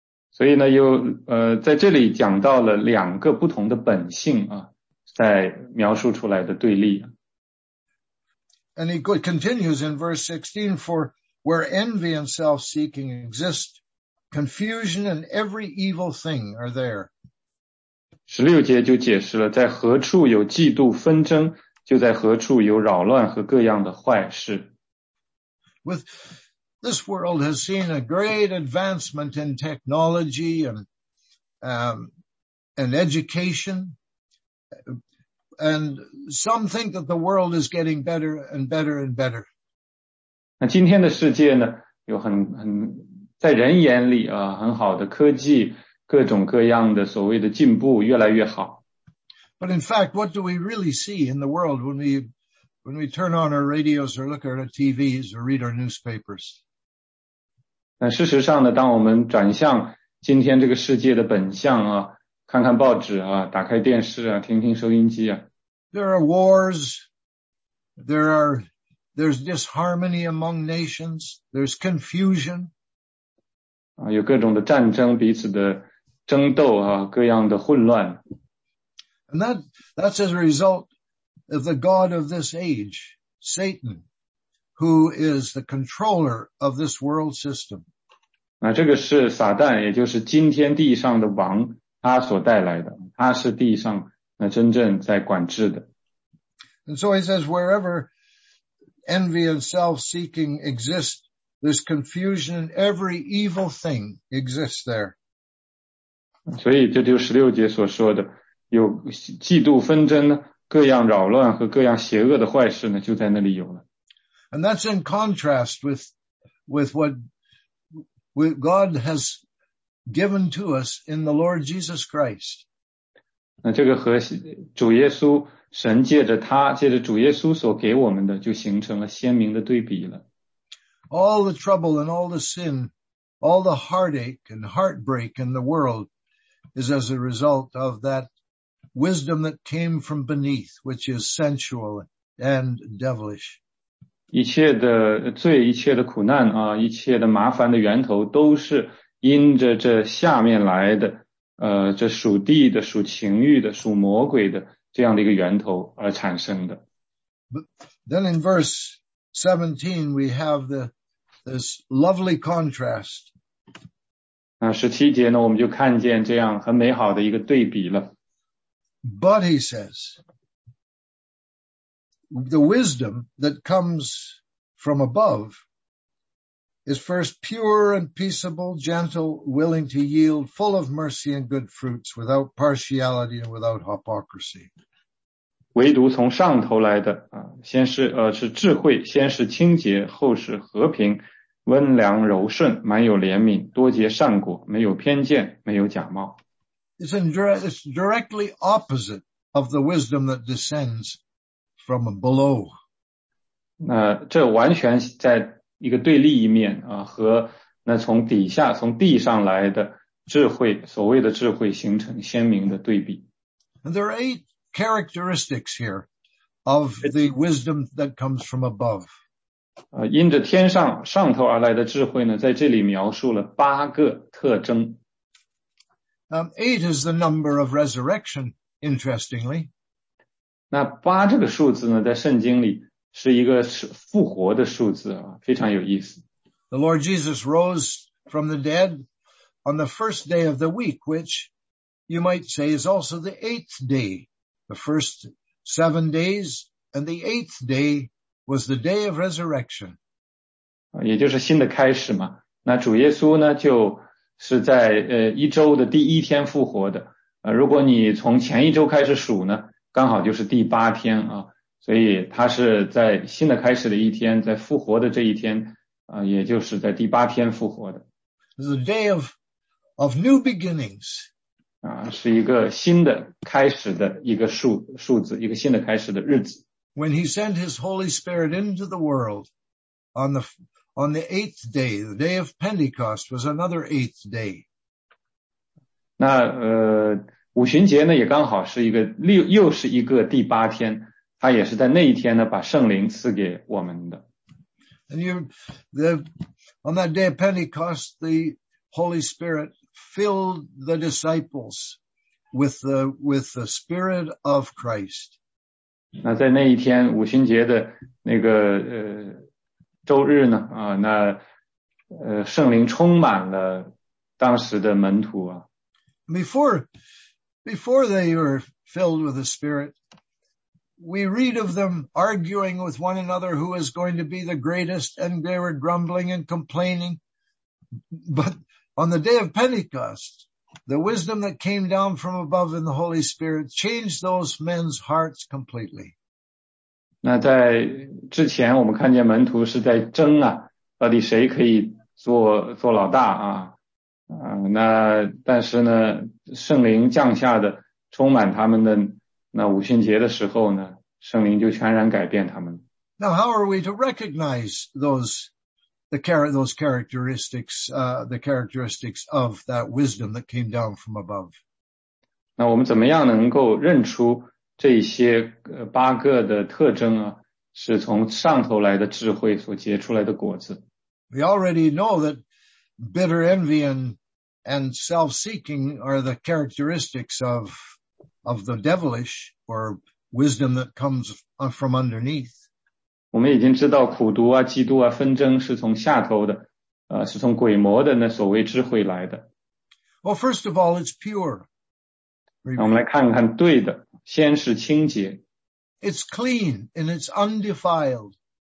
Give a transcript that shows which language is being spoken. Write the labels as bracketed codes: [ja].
[zh] 所以呢又在这里讲到了两个不同的本性啊，在描述出来的对立。 [en] And he continues in verse 16, for where envy and self-seeking exist, confusion and every evil thing are there. [zh] 16节就解释了，在何处有嫉妒纷争，就在何处有扰乱和各样的坏事。 [en] With this world has seen a great advancement in technology and education, and some think that the world is getting better and better and better. [zh] 那今天的世界呢，有很在人眼里啊，很好的科技，各种各样的所谓的进步越来越好。 [en] But in fact, what do we really see in the world when we turn on our radios or look at our TVs or read our newspapers? [zh] 那事实上呢，当我们转向今天这个世界的本相啊，看看报纸啊，打开电视啊，听听收音机啊。 [en] There are wars. There's disharmony among nations. There's confusion. [zh] 啊，有各种的战争，彼此的争斗啊，各样的混乱。 [en] And that's as a result. The God of this age, Satan, who is the controller of this world system. [zh] 那这个是撒旦，也就是今天地上的王，他所带来的，他是地上那真正在管制的。 [en] And so he says, wherever envy and self-seeking exist, there's confusion and every evil thing exists there. [zh] 所以这就是十六节所说的，有嫉妒纷争呢。各样扰乱和各样邪恶的坏事呢，就在那里有了。 [en] And that's in contrast with what God has given to us in the Lord Jesus Christ. [zh] 那这个和主耶稣神借着他，借着主耶稣所给我们的，就形成了鲜明的对比了。 [en] All the trouble and all the sin, all the heartache and heartbreak in the world is as a result of that wisdom that came from beneath, which is sensual and devilish. [zh] 一切的罪，一切的苦难啊，一切的麻烦的源头都是因着这下面来的，这属地的、属情欲的、属魔鬼的这样的一个源头而产生的。 [en] But then in verse 17, we have the this lovely contrast. [zh] 17节呢，我们就看见这样很美好的一个对比了。 [en] But he says, the wisdom that comes from above is first pure and peaceable, gentle, willing to yield, full of mercy and good fruits, without partiality and without hypocrisy. [zh] 唯独从上头来的先是是智慧，先是清洁，后是和平。温良柔顺，满有怜悯，多结善果，没有偏见，没有假冒。 [en] It's directly opposite of the wisdom that descends from below. [zh] 那这完全在一个对立一面啊，和那从底下从地上来的智慧，所谓的智慧形成鲜明的对比。 [en] There are eight characteristics here of the wisdom that comes from above. [zh] 因着天上上头而来的智慧呢，在这里描述了八个特征。 [en] Eight is the number of resurrection, interestingly. [zh] 那八这个数字呢，在圣经里是一个复活的数字啊，非常有意思。 [en] The Lord Jesus rose from the dead on the first day of the week, which you might say is also the eighth day. The first 7 days and the eighth day. Was the day of resurrection. [zh] 也就是新的开始嘛。那主耶稣呢就是在一周的第一天复活的。如果你从前一周开始数呢，刚好就是第八天啊。所以他是在新的开始的一天，在复活的这一天也就是在第八天复活的。 [en] The day of new beginnings. [zh] 是一个新的开始的一个数字，一个新的开始的日子。 [en] When he sent his Holy Spirit into the world on the eighth day, the day of Pentecost was another eighth day. [zh] 那五旬节呢也刚好是一个又是一个第八天，他也是在那一天呢把圣灵赐给我们的。 [en] And on that day of Pentecost, the Holy Spirit filled the disciples with the Spirit of Christ. [zh] 那在那一天五旬节的那个周日呢圣灵充满了当时的门徒啊。 [en] Before they were filled with the Spirit, we read of them arguing with one another who is going to be the greatest, and they were grumbling and complaining. But on the day of Pentecost,The wisdom that came down from above in the Holy Spirit changed those men's hearts completely. [zh] 那在之前我们看见门徒是在争啊，到底谁可以做老大啊。那但是呢，圣灵降下的充满他们的那五旬节的时候呢，圣灵就全然改变他们。 [en] Now how are we to recognize those characteristics, the characteristics of that wisdom that came down from above. [zh] 那我们怎么样能够认出这些八个的特征啊，是从上头来的智慧所结出来的果子。 [en] We already know that bitter envy and self-seeking are the characteristics of the devilish or wisdom that comes from underneath. [zh] 我们已经知道苦毒啊嫉妒啊纷争是从下头的是从鬼魔的那所谓智慧来的。 [en] Well, first of all, it's pure. [zh] 那我们来看看对的先是清洁。 [en] It's clean and it's undefiled.